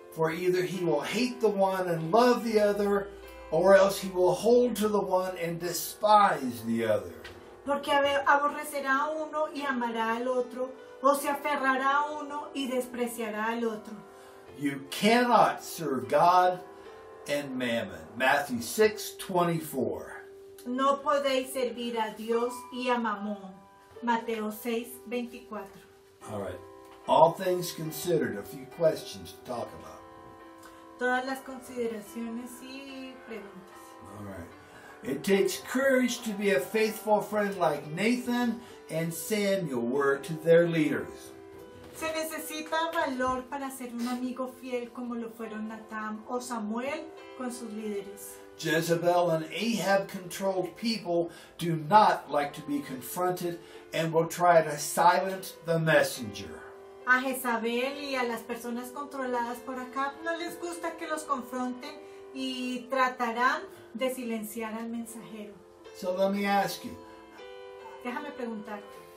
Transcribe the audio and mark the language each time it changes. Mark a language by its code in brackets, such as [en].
[en] For either he will hate the one and love the other, or else he will hold to the one and despise the other. [es] Porque aborrecerá a uno y amará al otro, o se aferrará a uno y despreciará al otro. [en] You cannot serve God and mammon. Matthew 6:24. [es] No podéis servir a Dios y a mamón. Mateo 6:24. [en] All right. All things considered, a few questions to talk about. [es] Todas las consideraciones y preguntas. [en] All right. It takes courage to be a faithful friend like Nathan and Samuel were to their leaders. [es] Se necesita valor para ser un amigo fiel como lo fueron Natán o Samuel con sus líderes. [en] Jezebel and Ahab controlled people do not like to be confronted and will try to silence the messenger. [es] A Jezabel y a las personas controladas por Acab no les gusta que los confronten y tratarán de silenciar al mensajero. [en] So let me ask you. [es] Déjame preguntarte.